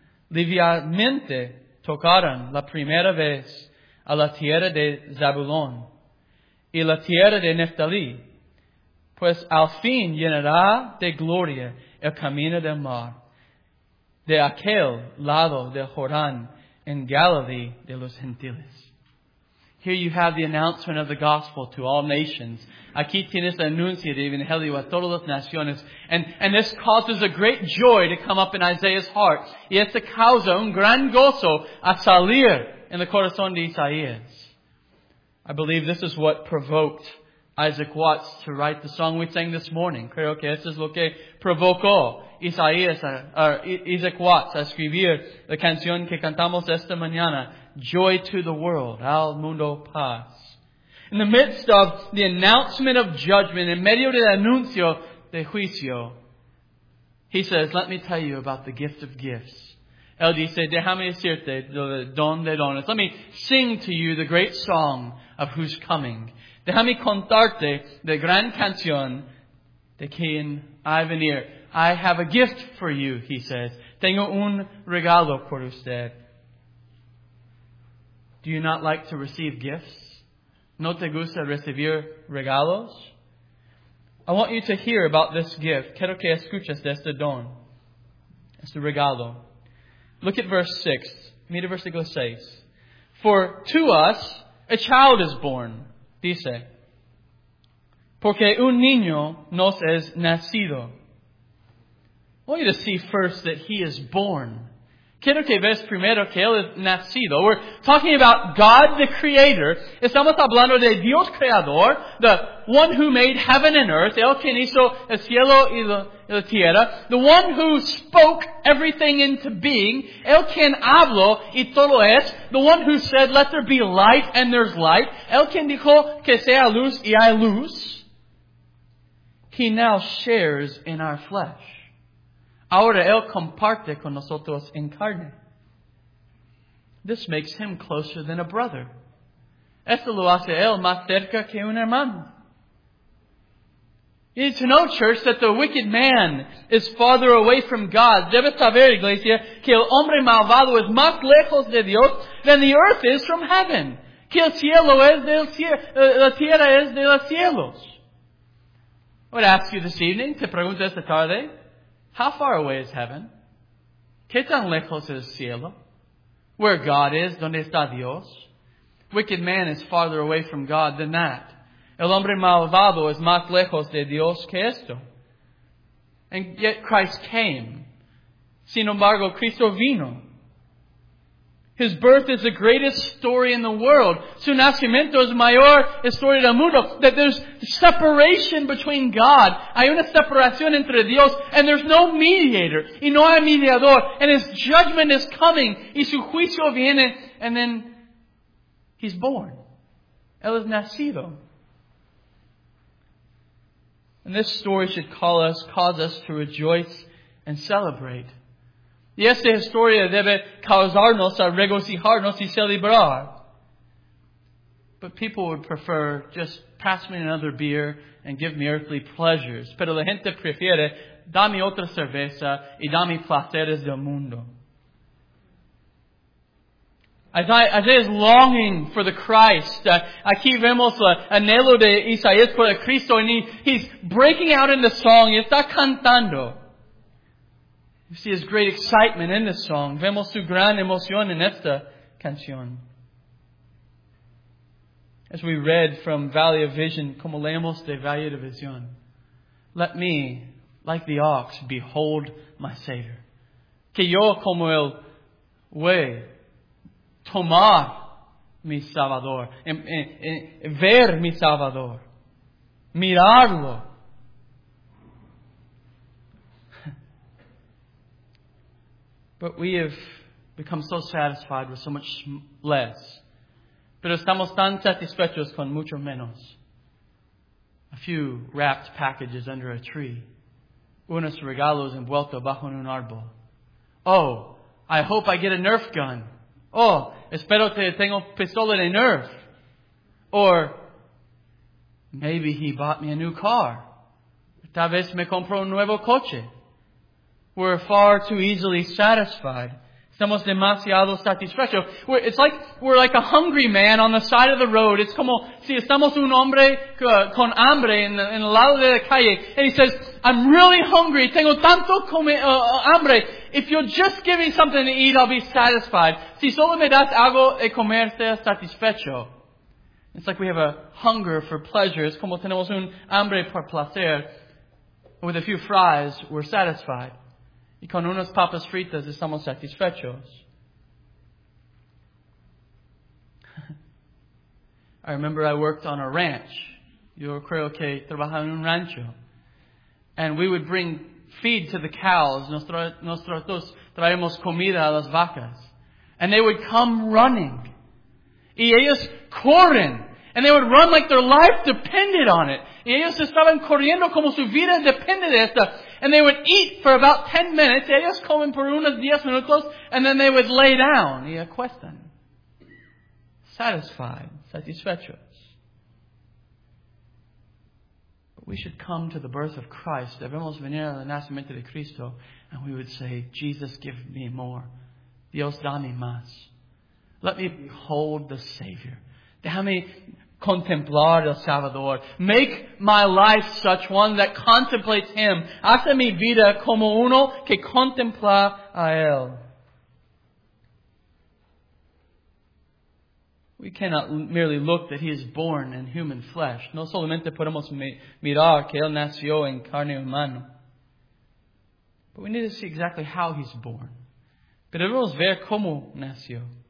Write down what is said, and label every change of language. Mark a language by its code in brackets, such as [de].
[es] livianamente tocaron la primera vez a la tierra de Zabulón y la tierra de Neftalí, pues al fin llenará de gloria el camino del mar, de aquel lado del Jordán en Galilee de los Gentiles. [en] Here you have the announcement of the gospel to all nations. [es] Aquí tienes el anuncio del Evangelio a todas las naciones. [en] And this causes a great joy to come up in Isaiah's heart. [es] Y esta causa un gran gozo a salir en el corazón de Isaías. [en] I believe this is what provoked Isaac Watts to write the song we sang this morning. [es] Creo que esto es lo que provocó Isaac Watts a escribir la canción que cantamos esta mañana. [en] Joy to the world, [es] al mundo paz. [en] In the midst of the announcement of judgment, [es] en medio del anuncio de juicio, [en] he says, let me tell you about the gift of gifts. [es] Él dice, déjame decirte el don de dones. [en] Let me sing to you the great song of who's coming. [es] Déjame contarte la gran canción de quien I venir. [en] I have a gift for you, he says. [es] Tengo un regalo por usted. [en] Do you not like to receive gifts? [es] ¿No te gusta recibir regalos? [en] I want you to hear about this gift. [es] Quiero que escuches de este don. Este regalo. [en] Look at verse 6. [es] Mira versículo 6. [en] For to us a child is born, dice. [es] Porque un niño nos es nacido. [en] I want you to see first that he is born. [es] Quiero que veas primero que él es nacido. [en] We're talking about God the Creator. [es] Estamos hablando de Dios Creador, [en] the one who made heaven and earth, [es] el quien hizo el cielo y la tierra, [en] the one who spoke everything into being, [es] el quien habló y todo es, [en] the one who said, let there be light and there's light, [es] el quien dijo que sea luz y hay luz. [en] He now shares in our flesh. [es] Ahora él comparte con nosotros en carne. [en] This makes him closer than a brother. [es] Esto lo hace él más cerca que un hermano. [en] You need to know, church, that the wicked man is farther away from God. [es] Debes saber, iglesia, que el hombre malvado es más lejos de Dios [en] than the earth is from heaven. [es] Que el cielo es del cielo, la tierra es de los cielos. [en] I would ask you this evening, [es] te pregunto esta tarde, [en] how far away is heaven? [es] ¿Qué tan lejos es el cielo? [en] Where God is, [es] ¿dónde está Dios? [en] Wicked man is farther away from God than that. [es] El hombre malvado es más lejos de Dios que esto. [en] And yet Christ came. [es] Sin embargo, Cristo vino. [en] His birth is the greatest story in the world. [es] Su nacimiento es mayor historia del mundo. [en] That there's separation between God. [es] Hay una separación entre Dios. [en] And there's no mediator. [es] Y no hay mediador. [en] And His judgment is coming. [es] Y su juicio viene. [en] And then He's born. [es] Él es nacido. [en] And this story should cause us to rejoice and celebrate. [es] Y esta historia debe causarnos a regocijarnos y celebrar. [en] But people would prefer just pass me another beer and give me earthly pleasures. [es] Pero la gente prefiere dame otra cerveza y dame placeres del mundo. [en] Isaiah is longing for the Christ. [es] Aquí vemos el anhelo de Isaías por el Cristo, [en] and he's breaking out in the song. [es] Está cantando. [en] You see his great excitement in this song. [es] Vemos su gran emoción en esta canción. [en] As we read from Valley of Vision, [es] como leemos de Valle de Vision, [en] let me, like the ox, behold my Savior. [es] Que yo como el buey, tomar mi Salvador, ver mi Salvador, mirarlo. [en] But we have become so satisfied with so much less. [es] Pero estamos tan satisfechos con mucho menos. [en] A few wrapped packages under a tree. [es] Unos regalos envueltos bajo un árbol. [en] Oh, I hope I get a Nerf gun. [es] Oh, espero que tengo pistola de Nerf. [en] Or, maybe he bought me a new car. [es] Tal vez me compró un nuevo coche. [en] We're far too easily satisfied. [es] Estamos demasiado satisfechos. [en] It's like we're like a hungry man on the side of the road. [es] It's como si estamos un hombre con hambre en el lado de la calle. [en] And he says, I'm really hungry. [es] Tengo tanto hambre. [en] If you'll just give me something to eat, I'll be satisfied. [es] Si solo me das algo de comer, estoy satisfecho. [en] It's like we have a hunger for pleasure. [es] It's como tenemos un hambre por placer. [en] With a few fries, we're satisfied. [es] Y con unas papas fritas estamos satisfechos. [en] I remember I worked on a ranch. [es] Yo creo que trabajaba en un rancho. [en] And we would bring feed to the cows. [es] Nosotros traemos comida a las vacas. [en] And they would come running. [es] Y ellos corren. [en] And they would run like their life depended on it. [es] Y ellos estaban corriendo como su vida dependía de esto. [en] And they would eat for about 10 minutes. [es] Ellos comen por unos 10 minutos. [en] And then they would lay down. [es] Y acuestan. [en] Satisfied. [es] Satisfechos. [en] But we should come to the birth of Christ. [es] Debemos venir al nacimiento de Cristo. [en] And we would say, Jesus, give me more. [es] Dios, dame más. [en] Let me behold the Savior. [es] Déjame contemplar el Salvador. [en] Make my life such one that contemplates Him. [es] Hace mi vida como uno que contempla a Él. [en] We cannot merely look that He is born in human flesh. [es] No solamente podemos mirar que Él nació en carne humana. [en] But we need to see exactly how He's born. [es] Pero debemos ver cómo nació.